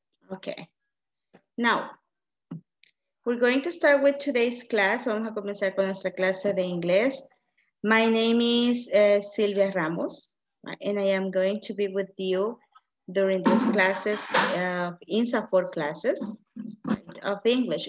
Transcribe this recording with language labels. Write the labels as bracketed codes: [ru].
[en] Okay, now we're going to start with today's class. [es] Vamos a comenzar con nuestra clase de inglés. [en] My name is Silvia Ramos, and I am going to be with you during these classes, INSAFOR classes of English.